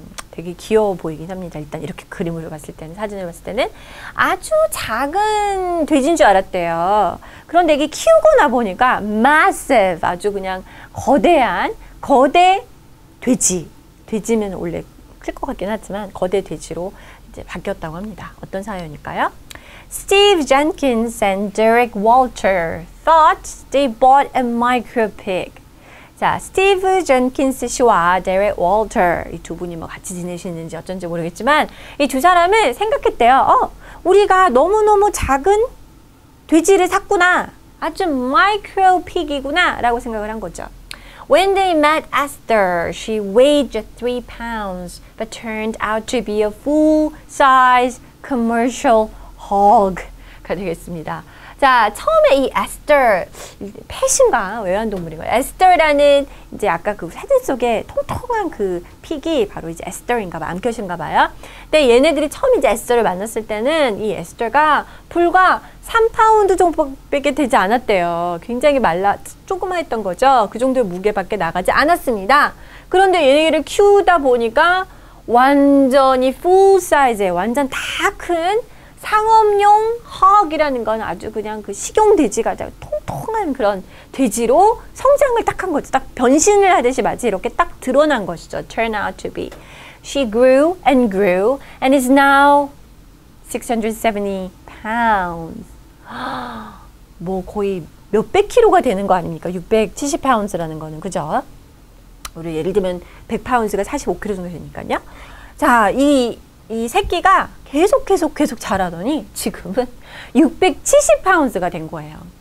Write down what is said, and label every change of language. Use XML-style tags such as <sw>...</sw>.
<ko>되게 귀여워 보이긴 합니다. 일단 이렇게 그림으로 봤을 때는, 사진을 봤을 때는 아주 작은 돼지인 줄 알았대요. 그런데 이게 키우고 나보니까 Massive, 아주 그냥 거대한, 거대 돼지. 돼지면 원래 클 것 같긴 하지만 거대 돼지로 이제 바뀌었다고 합니다. 어떤 사연일까요?</ko> <en>Steve Jenkins and Derek Walter thought they bought a micro pig.</en> <ko>자, Steve Jenkins 씨와 Derek Walter 이 두 분이 뭐 같이 지내시는지 어쩐지 모르겠지만 이 두 사람은 생각했대요. 우리가 너무너무 작은 돼지를 샀구나. 아주 micro pig이구나 라고 생각을 한 거죠.</ko> <en>When they met Esther, she weighed 3 pounds, but turned out to be a full-size commercial hog</en> <ko>가 되겠습니다. 자, 처음에 이 Esther, 펫인가 외환동물인가요? Esther라는 이제 아까 그 사진 속에 통통한 그 픽이 바로 이제 Esther인가봐, 암컷인가봐요. 근데 얘네들이 처음 이제 Esther를 만났을 때는 이 Esther가 불과 3파운드 정도밖에 되지 않았대요. 굉장히 말라 조그마했던 거죠. 그 정도의 무게밖에 나가지 않았습니다. 그런데 얘네를 키우다 보니까 완전히 풀 사이즈에 완전 다 큰 상업용 허기라는 건 아주 그냥 그 식용 돼지가 아주 통통한 그런 돼지로 성장을 딱 한 거죠. 딱 변신을 하듯이 마치 이렇게 딱 드러난 것이죠.</ko> <en>Turn out to be. She grew and grew and is now 670 pounds.</en> <ko>뭐 거의 몇백 킬로가 되는 거 아닙니까? 670파운드라는 거는, 그죠? 우리 예를 들면 100파운드가 45킬로 정도 되니까요. 자, 이 새끼가 계속 자라더니 지금은 670파운드가 된 거예요.</ko>